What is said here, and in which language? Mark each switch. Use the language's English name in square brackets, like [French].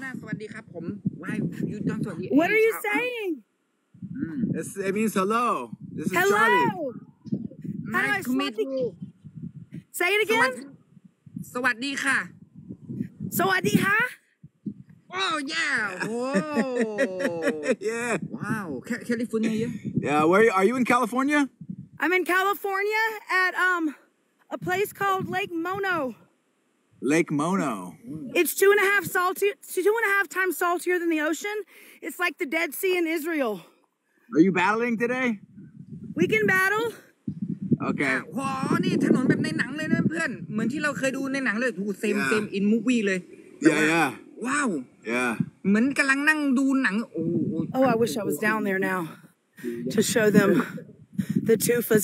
[Thai] สวัสดีครับผม [English] Why you don't so What are you saying It means hello This is Charlie Hello How do I meet you Say it again [Thai] สวัสดีค่ะ สวัสดีค่ะ [English] Oh yeah Wow California Yeah where are you in California I'm in California at a place called Lake Mono. Lake Mono. It's 2.5 times saltier than the ocean. It's like the Dead Sea in Israel. Are you battling today? We can battle. Okay. [Thai] Wow, นี่ถนนแบบในหนังเลยนะเพื่อนเหมือนที่เราเคยดูในหนังเลยถูก [English] same in movie [Thai] เลย [English] Yeah, yeah. Wow. Yeah. [Thai] เหมือนกำลังนั่งดูหนัง [English] Oh, I wish I was down there now to show them the tufas.